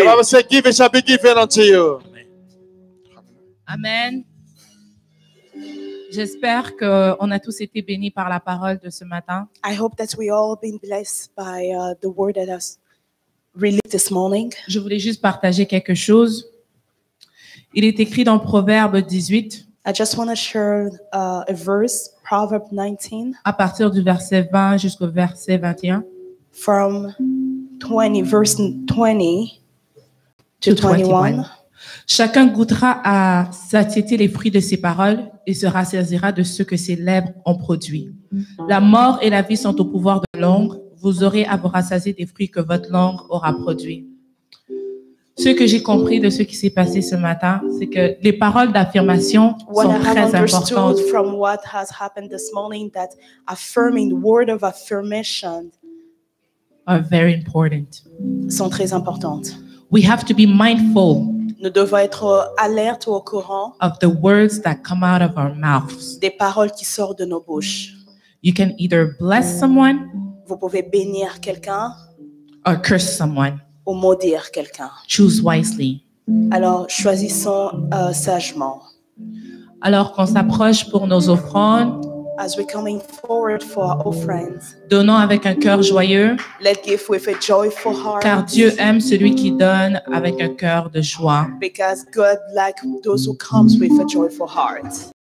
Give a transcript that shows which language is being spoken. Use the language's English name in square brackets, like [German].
[English] The Bible says, give it shall be given unto you. Amen. [French] J'espère qu'on a tous été bénis par la parole de ce matin. [English] I hope that we all been blessed by the word that has released this morning. [French] Je voulais juste partager quelque chose. Il est écrit dans Proverbe 18. [English] I just want to share a verse, Proverbs 19. [French] À partir du verset 20 jusqu'au verset 21. [English] From 20, verse 20 to 21. [French] Chacun goûtera à satiété les fruits de ses paroles et se rassasiera de ce que ses lèvres ont produit. La mort et la vie sont au pouvoir de la langue. Vous aurez à vous rassasier des fruits que votre langue aura produits. Ce que j'ai compris de ce qui s'est passé ce matin, c'est que les paroles d'affirmation [English] what [French] sont [English] I [French] très importantes. [English] What I understood from what has happened this morning that affirming the word of affirmation are very important. [French] Sont très importantes. [English] We have to be mindful. [French] Nous devons être alertes ou au courant [English] of the words that come out of our mouths. [French] Des paroles qui sortent de nos bouches. [English] You can either bless someone. [French] Vous pouvez bénir quelqu'un. [English] Or curse someone. [French] Ou maudire quelqu'un. [English] Choose wisely. [French] Alors, choisissons sagement. Alors qu'on s'approche pour nos offrandes. [English] As we're coming forward for our offerings. [French] Donnons avec un cœur joyeux. [English] Let's give with a joyful heart. [French] Car Dieu aime celui qui donne avec un cœur de joie. [English] Because God likes those who come with a joyful heart.